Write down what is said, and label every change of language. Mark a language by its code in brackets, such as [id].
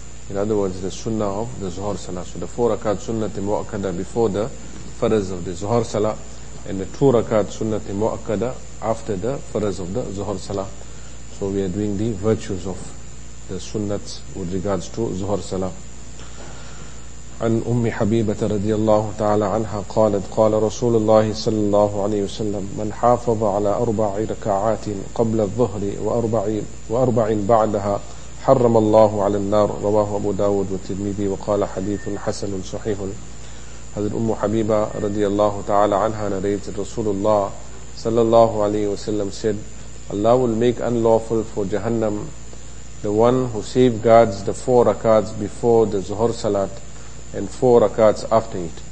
[en] In other words, the sunnah of the Zuhr Salah. So the four rakat sunnah mu'akkada before the faraz of the Zuhr Salah, and the two rakat sunnah mu'akkada after the faraz of the Zuhr Salah. So we are doing the virtues of the sunnah with regards to Zuhr Salah. [ar] عن أم حبيبة رضي الله تعالى عنها قالت قال رسول الله صلى الله عليه وسلم من حافظ على أربع ركعات قبل الظهر وأربعين بعدها حرم الله على النار رواه أبو داود والترمذي وقال حديث حسن صحيح. هذه الأم حبيبة رضي الله تعالى عنها [en] narrated [ar] رسول الله صلى الله عليه وسلم [en] said Allah will make unlawful for Jahannam the one who safeguards the four rakats before the Zuhr Salat and four rakats after it.